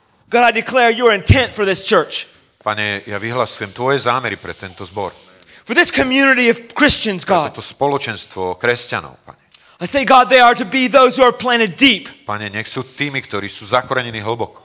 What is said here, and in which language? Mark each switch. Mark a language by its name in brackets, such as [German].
[English] God, I declare your intent for this church. [Slovak] Pane, ja vyhlasujem tvoje zámery pre tento zbor. [English] For this community of Christians, God. [Slovak] Pre toto spoločenstvo kresťanov, Pane. [English] I say, God, they are to be those who are planted deep. [Slovak] Pane, nech sú tými, ktorí sú zakorenení hlboko.